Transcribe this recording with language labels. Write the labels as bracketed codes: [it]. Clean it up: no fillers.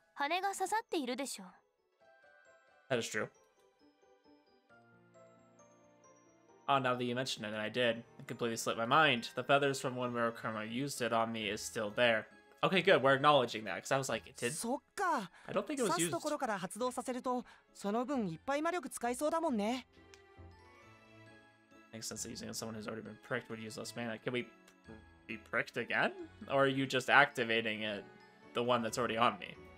[en] That is true. Oh, now that you mentioned it, and I did. It completely slipped my mind. The feathers from when Murakumo used it on me is still there. Okay, good. We're acknowledging that, because I was like, it did? I don't think it was used. [ja] ところから発動させると、その分いっぱい魔力使いそうだもんね。 [en] Makes sense that using someone who's already been pricked would use less mana. Can we be pricked again? Or are you just activating it, the one that's already on me?